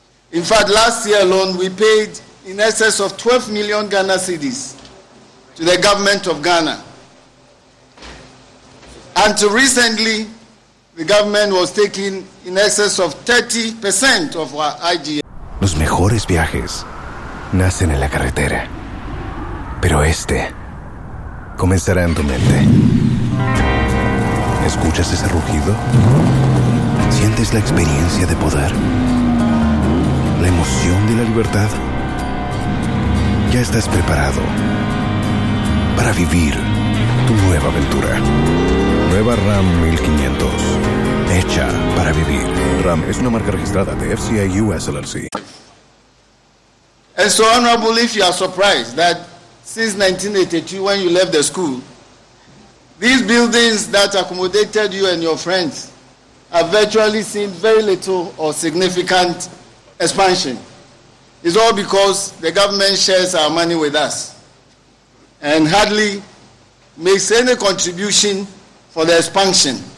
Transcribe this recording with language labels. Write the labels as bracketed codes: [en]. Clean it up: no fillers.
[en] In fact, last year alone, we paid in excess of 12 million Ghana cedis to the government of Ghana. Until recently, the government was taking in excess of 30% of our IGF. [es] Los mejores viajes nacen en la carretera, pero este comenzará en tu mente. ¿Escuchas ese rugido? ¿Sientes la experiencia de poder? ¿La emoción de la libertad? Ya estás preparado para vivir tu nueva aventura. Nueva Ram 1500. Hecha para vivir. Ram es una marca registrada de FCI US LLC. [en] And so, honorable, if you are surprised that since 1982, when you left the school, these buildings that accommodated you and your friends have virtually seen very little or significant expansion. It's all because the government shares our money with us and hardly makes any contribution for the expansion.